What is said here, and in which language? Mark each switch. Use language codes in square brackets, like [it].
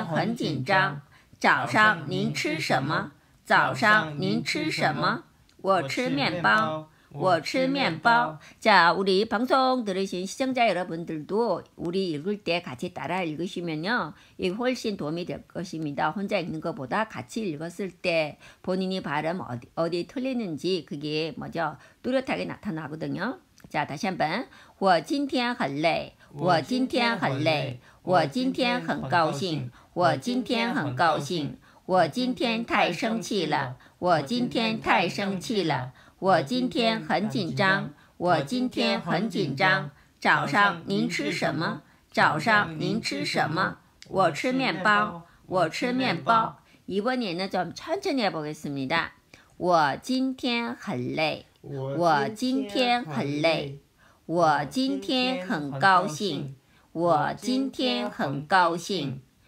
[zh] 我今天很累。我今天很高兴。我今天很高兴。我今天太生气了。我今天太生气了。我今天很紧张。我今天很紧张。早上您吃什么？早上您吃什么？我吃面包。我吃面包。 [ko] 자, 우리 방송 들으신 시청자 여러분들도 우리 읽을 때 같이 따라 읽으시면요. 이게 훨씬 도움이 될 것입니다. 혼자 읽는 것보다 같이 읽었을 때 본인이 발음 어디 틀리는지 그게 뭐죠? 뚜렷하게 나타나거든요. 자, 다시 한번. [zh] 我今天很累。我今天很累。我今天很高兴。我今天很高兴。我今天太生气了。我今天太生气了。我今天很紧张。我今天很紧张。早上您吃什么？早上您吃什么？我吃面包。我吃面包。 [ko] 이번에는 좀 천천히 해보겠습니다。 [zh] 我今天很累。我今天很累。我今天很高兴。我今天很高兴。